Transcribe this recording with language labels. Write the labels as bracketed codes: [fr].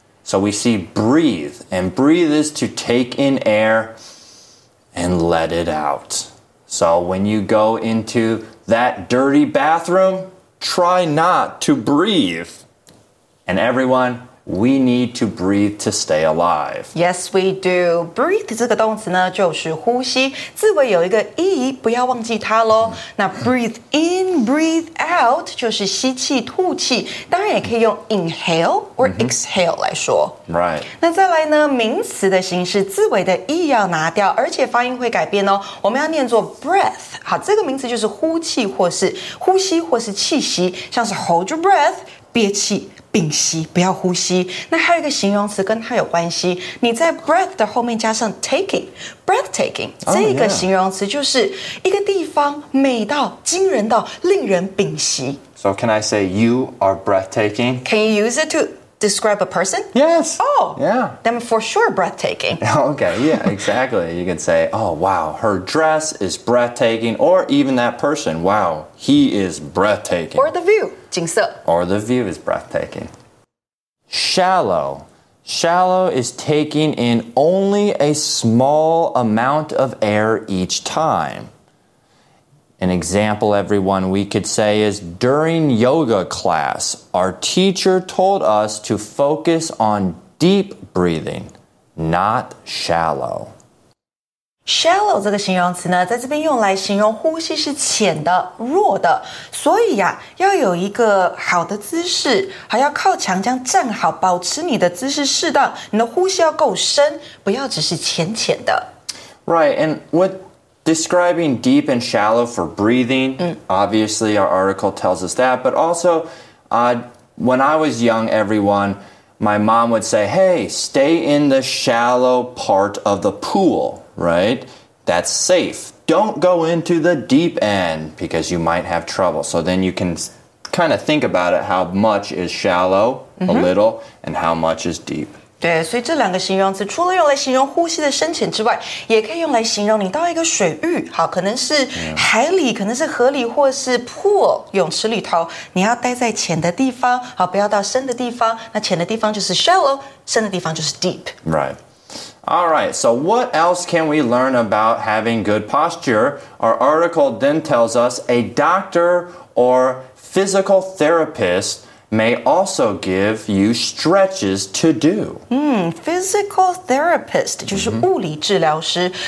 [en] So we see breathe, and breathe is to take in air and let it out. So when you go into that dirty bathroom, try not to breathe. And everyone, we need to breathe to stay alive. Yes, we do. Breathe [zh] 这个动词呢就是呼吸。字尾有一个 e, 不要忘记它咯。那 [en] breathe in, breathe out [zh] 就是吸气、吐气。当然也可以用 inhale or exhale 来说。 [en] Right. [zh] 那再来呢名词的形式字尾的 e 要拿掉而且发音会改变哦。我们要念作 breath。好这个名词就是呼气或是呼吸或是气息像是 [en] hold your breath, [zh] 憋气。屏息，不要呼吸。那还有一个形容词跟它有关系，你在 breath 的后面加上 taking, breathtaking、 oh, 这个形容词就是一个地方美到惊人到令人屏息。 [en] So can I say you are breathtaking? Can you use it to describe a person? Yes. Oh, yeah. Then for sure breathtaking. Okay, yeah, exactly. You can say, oh, wow, her dress is breathtaking, or even that person, wow, he is breathtaking. Or the view. [zh] 景色 [en] Or the view is breathtaking. Shallow. Shallow is taking in only a small amount of air each time. An example, everyone, we could say is during yoga class, our teacher told us to focus on deep breathing, not shallow. [zh] Shallow 这个形容词呢在这边用来形容呼吸是浅的弱的所以呀、要有一个好的姿势还要靠墙这样站好保持你的姿势适当你的呼吸要够深不要只是浅浅的 [en] Right, and with describing deep and shallow for breathing、obviously our article tells us that but also、when I was young everyone my mom would say hey stay in the shallow part of the poolRight? That's safe. Don't go into the deep end because you might have trouble. So then you can kind of think about it, how much is shallow, a little, and how much is deep. [zh] 对，所以这两个形容词除了用来形容呼吸的深浅之外，也可以用来形容你到一个水域，好，可能是海里，可能是河里，或是 pool, 泳池里头，你要待在浅的地方，好，不要到深的地方，那浅的地方就是 shallow, 深的地方就是 deep. [en] Right. All right, so what else can we learn about having good posture? Our article then tells us a doctor or physical therapist may also give you stretches to do. [zh] Physical therapist, 就是物理治疗师。